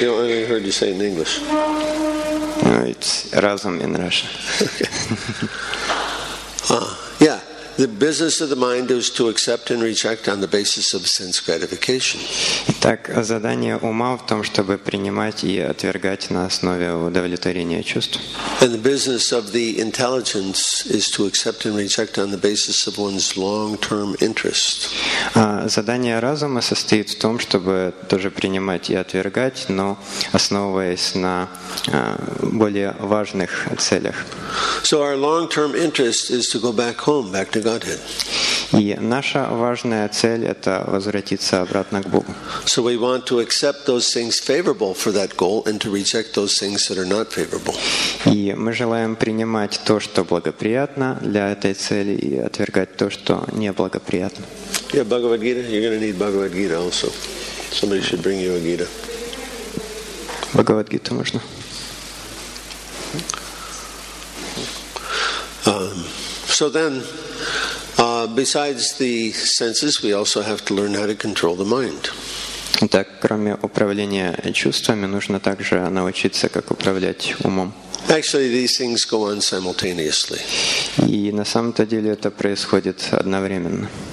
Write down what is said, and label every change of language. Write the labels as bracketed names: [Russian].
[English] You only heard you say it in English. No, it's разум in Russian. Okay. Yeah. The business of the mind is to accept and reject on the basis of sense gratification. [Russian] Так, задание ума в том, чтобы принимать и отвергать на основе удовлетворения чувств. [English] And the business of the intelligence is to accept and reject on the basis of one's long-term interest. [Russian] Задание разума состоит в том, чтобы тоже принимать и отвергать, но основываясь на более важных целях. [English] So our long-term interest is to go back home, back to Godhead. [Russian] И наша важная цель – это возвратиться обратно к Богу. [English] So we want to accept those things favorable for that goal and to reject those things that are not favorable. [Russian] И мы желаем принимать то, что благоприятно для этой цели, и отвергать то, что неблагоприятно. [English] Yeah, Bhagavad Gita. You're going to need Bhagavad Gita also. Somebody should bring you a Gita. [Russian] Bhagavad Gita можно. [English] So then, besides the senses, we also have to learn how to control the mind. [Russian] Так, кроме управления чувствами, нужно также научиться, как управлять умом. [English] Actually, these things go on simultaneously. [Russian] И на самом-то деле это происходит одновременно.